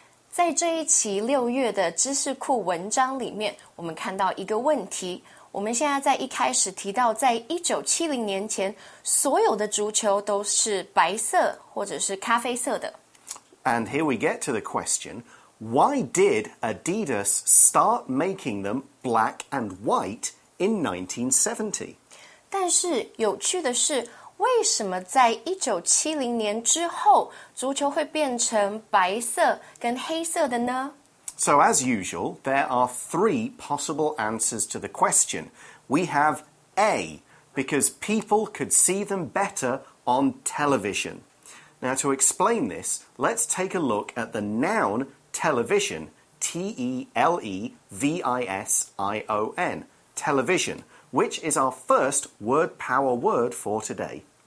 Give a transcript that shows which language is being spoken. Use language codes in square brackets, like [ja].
[zh] 在这一期六月的知识库文章里面，我们看到一个问题。我们现在在一开始提到，在1970年前，所有的足球都是白色或者是咖啡色的。 [en] And here we get to the question, why did Adidas start making them black and white in 1970? [zh] 但是有趣的是，为什么在1970年之后，足球会变成白色跟黑色的呢？ [en] So as usual, there are three possible answers to the question. We have A, because people could see them better on television. Now to explain this, let's take a look at the noun television, T-E-L-E-V-I-S-I-O-N, television, which is our first word power word for today.